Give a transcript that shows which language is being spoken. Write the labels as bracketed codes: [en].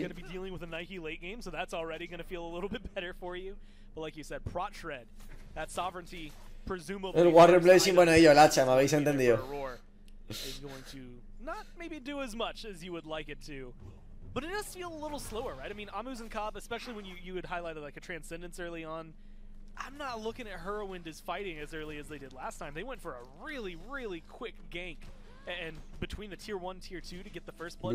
[en] Going to be dealing with a Nike late game, so that's already going to feel a little bit better for you. But like you said, Prot Shred, that Sovereignty, presumably. [es] El Water Blessing, bueno, yo el hacha, me habéis entendido. [en] Is going to not maybe do as much as you would like it to. But it does feel a little slower, right? I mean, Amuzen Cobb, especially when you had highlighted like a Transcendence early on. I'm not looking at Heroine as fighting as early as they did last time. They went for a really, really quick gank, and between the tier 1, tier 2 to get the first blood.